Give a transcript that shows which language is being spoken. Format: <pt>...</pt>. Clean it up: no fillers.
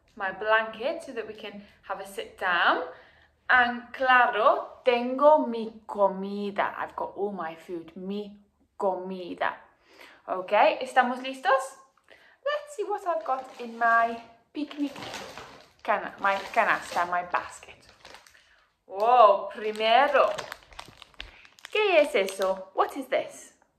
<en>My blanket so that we can have a sit down. And</en> <es>claro, tengo mi comida.</es> <en>I've got all my food,</en> <es>mi comida.</es> <en>Okay,</en> <es>¿estamos listos?</es> <en>Let's see what I've got in my picnic my canasta, my basket.</en> <es>Whoa, primero. ¿Qué es eso?</es> <en>What is this?</en>